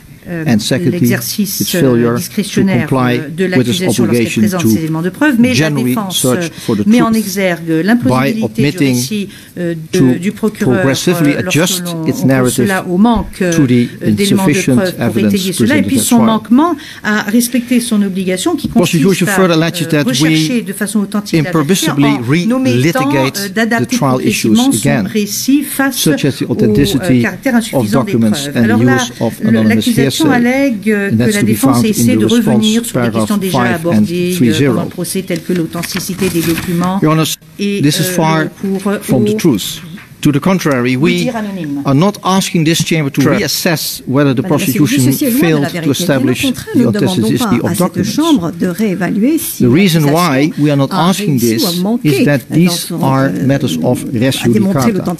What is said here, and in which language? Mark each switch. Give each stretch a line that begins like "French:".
English: And secondly, its failure to comply with its obligation to generally search for the truth by admitting to progressively adjust its narrative to the insufficient evidence presented at trial. The prosecution further alleges that we impermissibly re-litigate the trial issues again, such as the authenticity of documents and the use of anonymous hearsay.
French: La question allègue que la défense essaie de revenir sur des questions déjà abordées dans le procès, telles que l'authenticité des documents et
English: from the truth. To the contrary, we are not asking this chamber to reassess whether the prosecution failed to establish the authenticity of documents. The reason why we are not asking this is that these are matters of res judicata.